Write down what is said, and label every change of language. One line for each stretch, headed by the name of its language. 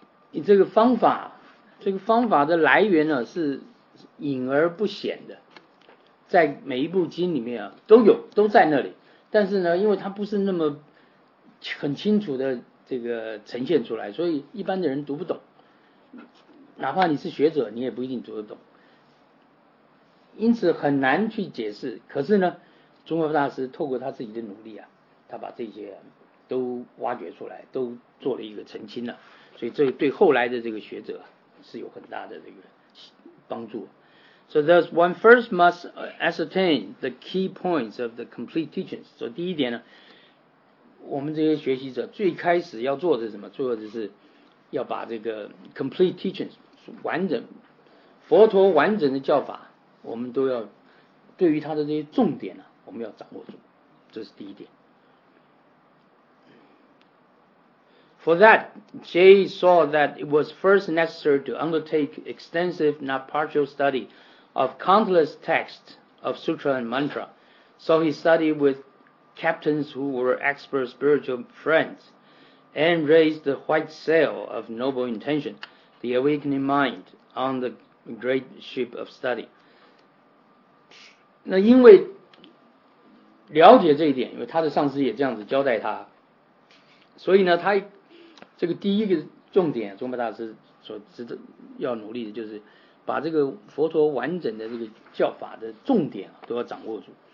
Chinese: 你这个方法的来源呢是隐而不显的，在每一部经里面啊都有，都在那里，但是呢因为它不是那么很清楚的这个呈现出来，所以一般的人读不懂，哪怕你是学者你也不一定读得懂，因此很难去解释。可是呢宗喀巴大师透过他自己的努力啊，他把这些都挖掘出来，都做了一个澄清了、啊、所以这对后来的这个学者是有很大的这个帮助。
English: So thus one first must ascertain the key points of the complete teachings.
Chinese: 所以第一点呢，我们这些学习者最开始要做的是什么？做的是要把这个
English: complete teachings
Chinese: 完整佛陀完整的教法，我们都要对于他的这些重点呢、啊，我们要掌握住，这是第一点。
English: For that Jay saw that it was first necessary to undertake extensive not partial study of countless texts of sutra and mantra, so he studied with captains who were expert spiritual friendsand raised the white sail of noble intention, the awakening mind, on the great ship of study.
Chinese: 那因为了解这一点，因为他的上司也这样子交代他，所以呢，他这个第一个重点，宗喀巴大师所知的要努力的就是把这个佛陀完整的这个教法的重点都要掌握住。